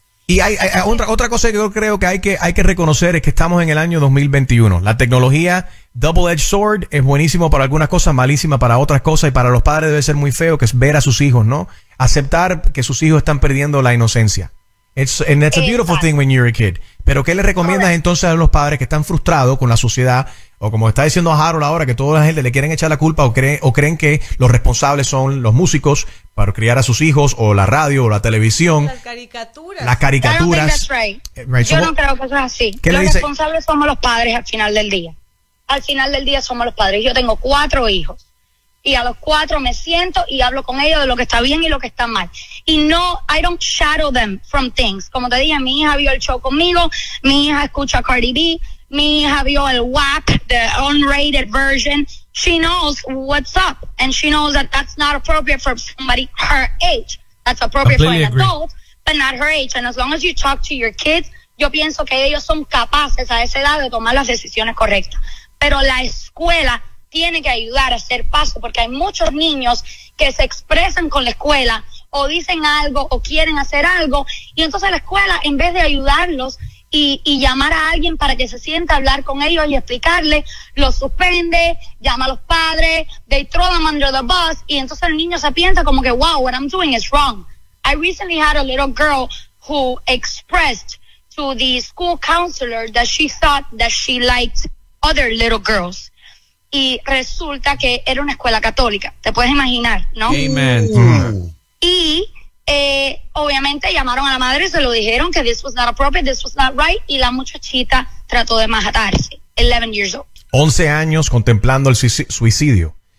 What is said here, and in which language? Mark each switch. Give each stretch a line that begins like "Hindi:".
Spanish: Y hay otra cosa que yo creo que hay que reconocer es que estamos en el año 2021. La tecnología double-edged sword es buenísimo para algunas cosas, malísima para otras cosas, y para los padres debe ser muy feo que es ver a sus hijos, ¿no? Aceptar que sus hijos están perdiendo la inocencia.
English: And that's a beautiful thing when you're a kid.
Spanish: Pero ¿qué le recomiendas entonces a los padres que están frustrados con la sociedad, o como está diciendo Harold ahora, que toda la gente le quieren echar la culpa, o creen que los responsables son los músicos para criar a sus hijos, o la radio, o la televisión? Las caricaturas. Right. Yo no creo que eso es así. Responsables somos los padres al final del día. Al final del día somos los padres. Yo tengo 4 hijos. Y a los 4 me siento y hablo con ellos de lo que está bien y lo que está mal. Y no,
English: I don't shadow them from things.
Spanish: Como te dije, mi hija vio el show conmigo, mi hija escucha Cardi B, mi hija vio el WAP,
English: the unrated version. She knows what's up, and she knows that that's not appropriate for somebody her age. That's appropriate for an adult, but not her age. And as long as you talk to your kids,
Spanish: yo pienso que ellos son capaces a esa edad de tomar las decisiones correctas. Pero la escuela tiene que ayudar a hacer paso, porque hay muchos niños que se expresan con la escuela o dicen algo o quieren hacer algo, y entonces la escuela, en vez de ayudarlos y llamar a alguien para que se sienta a hablar con ellos y explicarle, lo suspende, llama a los padres,
English: they throw them under the bus,
Spanish: y entonces el niño se piensa como que,
English: wow, what I'm doing is wrong. I recently had a little girl who expressed to the school counselor that she thought that she liked other little girls.
Spanish: Y resulta que era una escuela católica, te puedes imaginar, ¿no? Amen. Y obviamente llamaron a la madre, se lo dijeron que
English: this was not appropriate, this was not right,
Spanish: y la muchachita trató de matarse,
English: 11 years old.
Spanish: 11 años contemplando el suicidio.